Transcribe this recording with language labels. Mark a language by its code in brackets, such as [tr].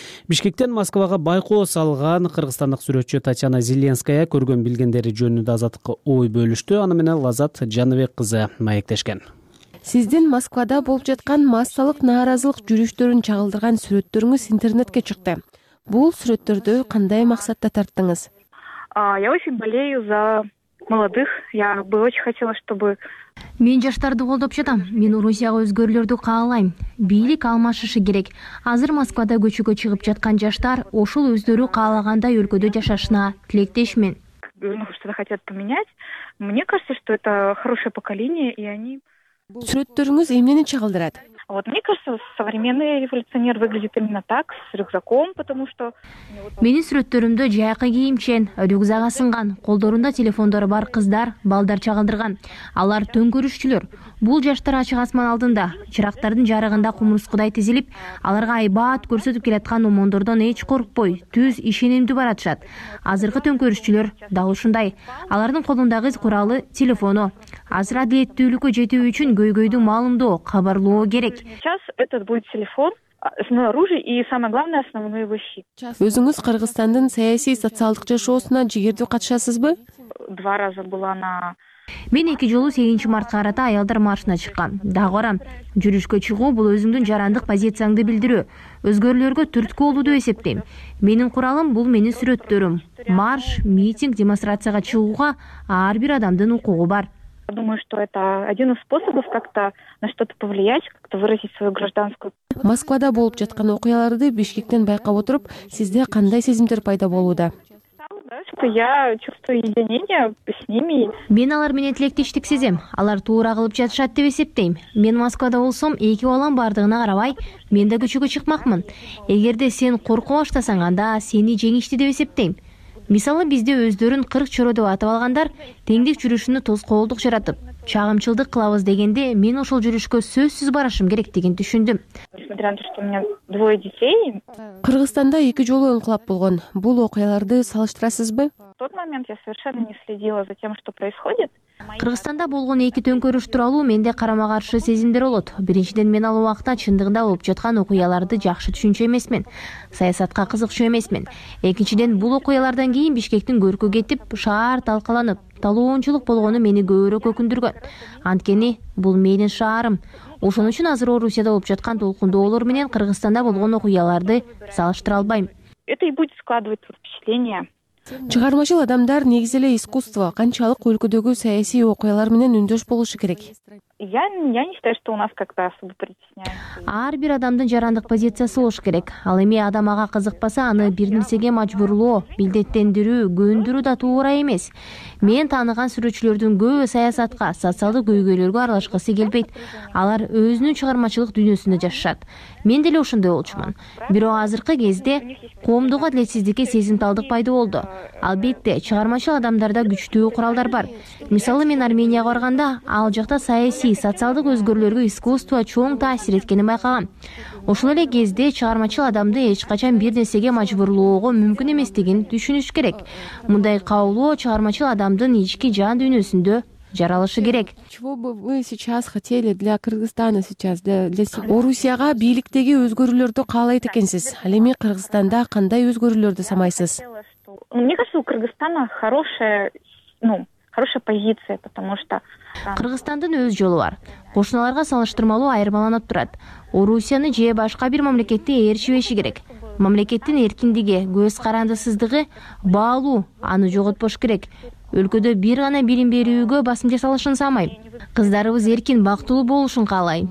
[ky] Бишкектен Москвага байкоо салган кыргызстандык сүрөтчү Татьяна Зеленская көргөн билгендери жөнүндө Азаттыкка ой бөлүштү. Аны менен Лазат Жаныбек кызы маектешкен. Сиздин Москвада болуп жаткан массалык нааразылык жүрүштөрүн чагылдырган сүрөттөрүңүз интернетке чыкты. Бул сүрөттөрдү кандай максатта тарттыңыз? [ru] Я очень болею за молодых. Я бы очень хотела, чтобы [ky] Мен жаштарды колдоп жатам. Мен Орусияга өзгөрүүлөрдү каалайм. Бийлик алмашышы керек. Азыр Москвада көчөгө чыгып жаткан жаштар ошол өздөрү каалагандай өлкөдө жашашына тилектешмин. [ru] Что-то хотят поменять. Мне кажется, что это хорошее поколение, и они [ky] Сүрөттөрүңүз эмнени чагылдырат? [ru] Вот, мне кажется, современный революционер выглядит именно так, с рюкзаком, потому что [ky] Менин сүрөттөрүмдө жайкы кийимчен, рюкзагы сынган, колдорунда телефондору бар кыздар, балдар чагылдырган. Алар төңкөрүшчүлөр. Бул жаштар ачык асман алдында, чырактардын жарыгында кумурскудай тизилип, аларга айбат көрсөтүп келаткан умондордон эч коркпой, түз ишенимдүү баратышат. Азыркы төңкөрүшчүлөр дал ушундай. Алардын колундагы куралы телефону. Азыр адилеттүүлүккө жетүү үчүн көйгөйдү маалымдоо, кабарлоо керек. [ru] Сейчас этот будет телефон, основное оружие и самое главное основной его щит. [ky] Өзүңүз Кыргызстандын саясий социалдык жашоосуна жигердүү катышасызбы? [ru] 2 раза была на [ky] Мен 2 жолу 8 мартка карата аялдар маршына чыккан. Дагы барам. Жүрүшкө чыгуу бул өзүңдүн жарандык позицияңды билдирүү. Өзгөрүүлөргө түрткү болууду эсептейм. Менин куралым бул менин сүрөттөрүм. Марш, митинг, демонстрацияга чыгууга ар бир адамдын укугу бар. [ru] Думаю, что это один из способов как-то на что-то повлиять, как-то выразить свою гражданскую. [ky] Москвада болуп жаткан окуяларды Бишкектен байкап отуруп, сизде кандай сезимдер пайда болууда? [ru] Что я чувствую единение с ними. [ky] Мен алар менен тилектештик сезем. Алар туура кылып жатышат деп эсептейм. Мен Москвада болсом, эки балам бардыгына карабай, мен да көчөгө чыкмакмын. Эгерде сен коркуп баштасаң, анда сени жеңишти деп эсептейм. Мисалы, бизде өздөрүн 40 чоро деп атап алгандар теңдик жүрүшүнө тоскоолдук жаратып, чагымчылдык кылабыз дегенде мен ошол жүрүшкө сөзсүз барышым керек деген түшүндүм. [ru] Несмотря на то, что у меня двое детей. [ky] Кыргызстанда 2 жолу инкылап болгон. Бул окуяларды салыштырасызбы? [ru] В тот момент я совершенно не следила за тем, что происходит. [ky] Кыргызстанда болгон 2 төңкөрүш тууралуу менде карама-каршы сезимдер болот. Биринчиден, мен ал убакта чындыгында болуп жаткан окуяларды жакшы түшүнчү эмесмин. Саясатка кызыкчу эмесмин. Экинчиден, бул окуялардан кийин Бишкектин көркү кетип, шаар талкаланып, талоончулук болгону мени көбүрөөк өкүндүргөн. Анткени бул менин шаарым. Ошон үчүн азыр Орусияда болуп жаткан толкундоолор менен Кыргызстанда болгон окуяларды салыштыра албайм. [ru] Это и будет складывать впечатление. [ky] Чыгармачыл адамдар негизи эле искусство, канчалык өлкөдөгү саясий окуялар менен үндөш болушу керек. [ru] Я не считаю, что у нас как-то особо притесняют. [ky] Ар бир адамдын жарандык позициясы болуш керек. Ал эми адам ага кызыкпаса, аны бир нерсеге мажбурлоо, билдеттендирүү, көндүрүү да туура эмес. Мен тааныган сүрөтчүлөрдүн көбү саясатка, социалдык көйгөйлөргө аралашкысы келбейт. Алар өзүнүн чыгармачылык дүйнөсүндө жашашат. Мен деле ошондой болчумун. Бирок азыркы кезде коомдогу адилетсиздикке сезимталдык пайда болду. Албетте, чыгармачыл адамдарда күчтүү куралдар бар. Мисалы, мен Арменияга барганда, ал жакта саясий социалдык өзгөрүүлөргө искусство чоң таасир эткенин байкагам. Ошол эле кезде чыгармачыл адамды эч качан бир нерсеге мажбурлоого мүмкүн эместигин түшүнүш керек. Мындай каулоо чыгармачыл адамдын ички жан дүйнөсүндө жаралышы керек. [ru] Чего бы вы сейчас хотели для Кыргызстана сейчас, для себя? [ky] Орусияга бийликтеги өзгөрүүлөрдү каалайт экенсиз. Ал эми Кыргызстанда кандай өзгөрүүлөрдү самайсыз? [ru] Мне кажется, у Кыргызстана хорошая позиция, потому что [ky] Кыргызстандын өз жолу бар. Кошуналарга салыштырмалуу айырмаланып турат. Орусияны же башка бир мамлекетти ээрчибеши керек. Мамлекеттин эркиндиги, көз карандысыздыгы баалуу, аны жоготпош керек. Өлкөдө бир гана билим берүүгө басым жасалышын самайм. Кыздарыбыз эркин, бактылуу болушун каалайм.